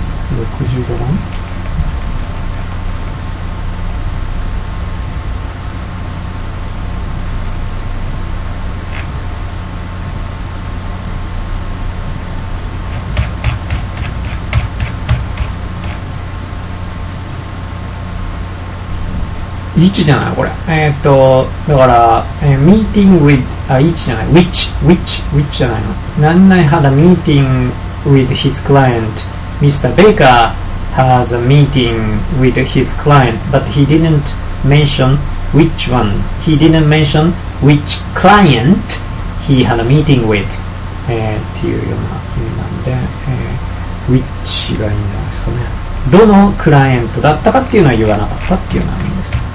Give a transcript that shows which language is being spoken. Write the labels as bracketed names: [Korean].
[Japanese] 65番、イチじゃないこれ、だから、ミーティングウィッチ、あ、イチじゃない、ウィッチじゃないの。何々 [English] had a meeting with his client. Mr. Baker has a meeting with his client, but he didn't mention which one. He didn't mention which client he had a meeting with. [Japanese] っていうような意味なんで、ウィッチがいいんじゃないですかね。どのクライアントだったかっていうのは言わなかったっていうような意味です。